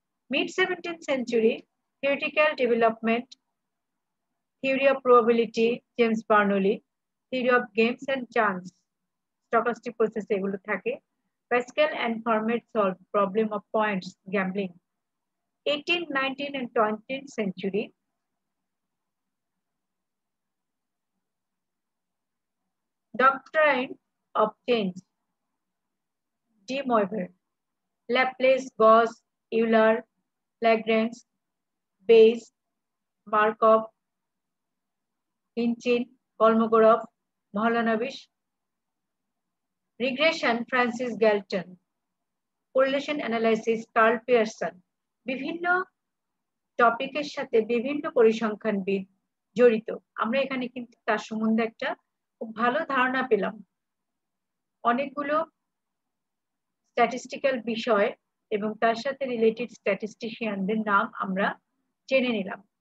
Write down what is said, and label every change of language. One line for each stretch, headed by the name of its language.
English: mid 17th century theoretical development, theory of probability James Bernoulli, theory of games and chance stochastic process
Bangla: এগুলো থাকে,
English: Pascal and Fermat solved problem of points gambling. 18th, 19th and 20th century doctrine of change, De Moivre, Laplace, Gauss, Euler, Lagrange, Bayes, Markov, Hinchin, Kolmogorov, Mahalanobis,
Bangla: regression Francis Galton, correlation analysis curl Pearson, বিভিন্ন টপিকের সাথে বিভিন্ন পরিসংখ্যানবিদ জড়িত। আমরা এখানে কিন্তু তার সম্বন্ধে একটা খুব ভালো ধারণা পেলাম, অনেকগুলো স্ট্যাটিস্টিক্যাল বিষয় এবং তার সাথে রিলেটেড স্ট্যাটিস্টিশিয়ানদের নাম আমরা জেনে নিলাম।